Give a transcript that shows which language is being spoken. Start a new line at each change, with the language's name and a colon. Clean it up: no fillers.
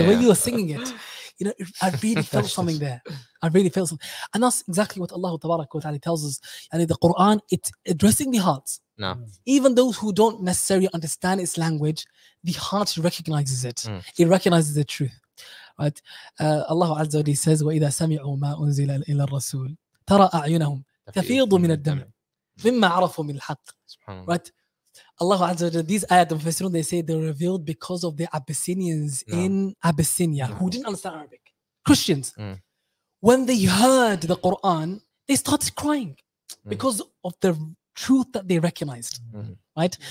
English: The way you were singing it, you know, I really felt something there. I really felt something. And that's exactly what Allah Ta'ala tells us. And in the Quran, it's addressing the hearts. No. Even those who don't necessarily understand its language, the heart recognizes it. Mm. It recognizes the truth. Right? Allah Azza wa Jalla says,
Arabic: وَإِذَا سَمِعُوا مَا أُنزِلَ إِلَى الرَّسُولِ تَرَى أَعْيُنَهُمْ تَفِيضُ مِنَ الدَّمْعِ مِمَّا عَرَفُوا مِنَ الْحَقِّ.
English: Right? Allah Azza wa Jalla, these ayat of Fasirun, they say they're revealed because of the Abyssinians in Abyssinia who didn't understand Arabic. Christians. Mm. When they heard the Quran, they started crying because of the truth that they recognized. Mm. Right?